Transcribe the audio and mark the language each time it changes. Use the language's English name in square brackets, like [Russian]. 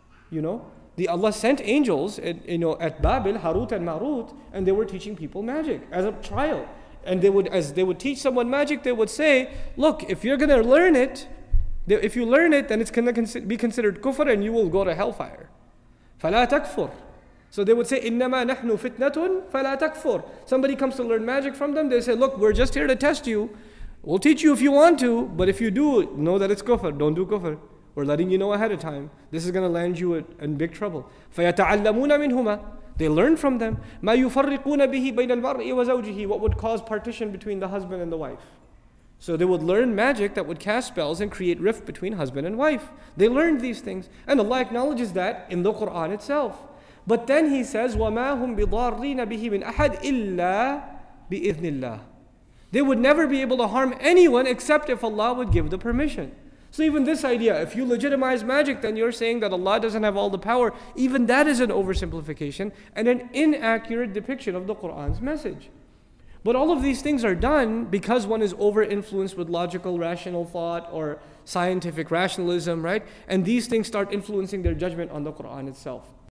[English] You know, Allah sent angels at Babel, Harut and Marut, and they were teaching people magic as a trial. And they would teach someone magic, they would say, look, if you're going to learn it, if you learn it, then it's going to be considered kufr and you will go to hellfire. [Arabic] فَلَا تَكْفُرْ. [English] So they would say, [Arabic] إِنَّمَا نَحْنُ فِتْنَةٌ فَلَا تَكْفُرْ. [English] Somebody comes to learn magic from them, they say, look, we're just here to test you. We'll teach you if you want to, but if you do, know that it's kufr. Don't do kufr. We're letting you know ahead of time. This is going to land you in big trouble. [Arabic] فَيَتَعَلَّمُونَ مِنْهُمَا. [English] They learn from them. [Arabic] مَا يُفَرِّقُونَ بِهِ بَيْنَ الْمَرْءِ وَزَوْجِهِ. [English] What would cause partition between the husband and the wife? So they would learn magic that would cast spells and create rift between husband and wife. They learned these things. And Allah acknowledges that in the Quran itself. But then he says, [Arabic] وَمَا هُمْ بِضَارِّينَ بِهِ مِنْ أَحَدٍ إِلَّا بِإِذْنِ اللَّهِ. [English] They would never be able to harm anyone except if Allah would give the permission. So even this idea, if you legitimize magic, then you're saying that Allah doesn't have all the power. Even that is an oversimplification and an inaccurate depiction of the Quran's message. But all of these things are done because one is over-influenced with logical, rational thought or scientific rationalism, right? And these things start influencing their judgment on the Quran itself.